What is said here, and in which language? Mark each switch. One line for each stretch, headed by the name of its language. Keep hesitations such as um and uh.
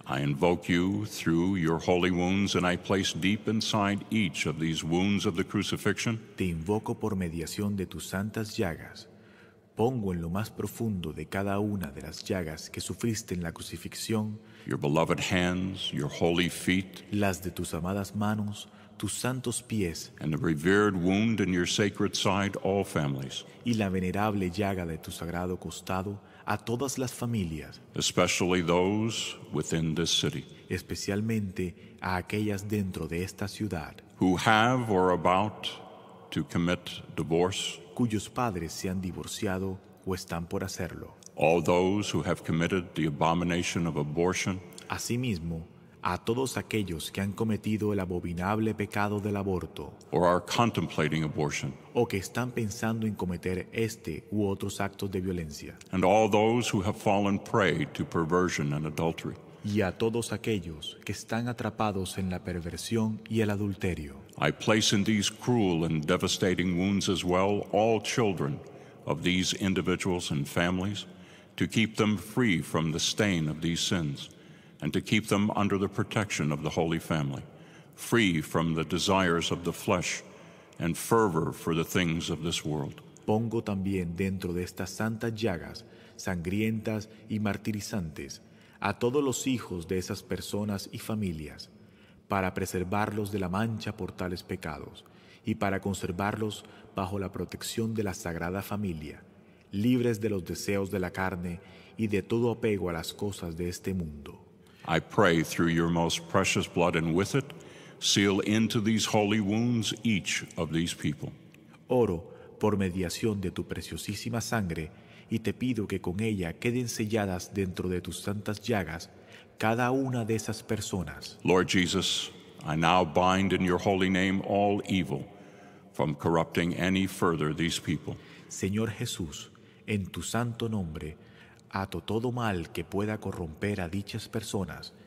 English: I invoke you through your holy wounds and I place deep inside each of these wounds of the crucifixion.
Spanish: Te invoco por mediación de tus santas llagas. Pongo en lo más profundo de cada una de las llagas que sufriste en la crucifixión.
English: Your beloved hands, your holy feet.
Spanish: Las de tus amadas manos, tus santos pies.
English: And the revered wound in your sacred side, all families.
Spanish: Y la venerable llaga de tu sagrado costado a todas las familias,
English: especially those within this city,
Spanish: especialmente a aquellas dentro de esta ciudad,
English: who have or are about to commit divorce,
Spanish: cuyos padres se han divorciado o están por hacerlo.
English: All those who have committed the abomination of abortion,
Spanish: asimismo, a todos aquellos que han cometido el abominable pecado del aborto
English: or are contemplating abortion,
Spanish: o que están pensando en cometer este u otros actos de violencia
English: and all those who have fallen prey to perversion and adultery.
Spanish: Y a todos aquellos que están atrapados en la perversión y el adulterio.
English: I place in these cruel and devastating wounds as well all children of these individuals and families to keep them free from the stain of these sins. and to keep them under the protection of the Holy Family, free from the desires of the flesh and fervor for the things of this world.
Spanish: Pongo también dentro de estas santas llagas, sangrientas y martirizantes, a todos los hijos de esas personas y familias, para preservarlos de la mancha por tales pecados y para conservarlos bajo la protección de la Sagrada Familia, libres de los deseos de la carne y de todo apego a las cosas de este mundo.
English: I pray through your most precious blood and with it, seal into these holy wounds each of these people.
Spanish: Oro por mediación de tu preciosísima sangre y te pido que con ella queden selladas dentro de tus santas llagas cada una de esas personas.
English: Lord Jesus, I now bind in your holy name all evil from corrupting any further these people.
Spanish: Señor Jesús, en tu santo nombre, Hato todo mal que pueda corromper a dichas personas.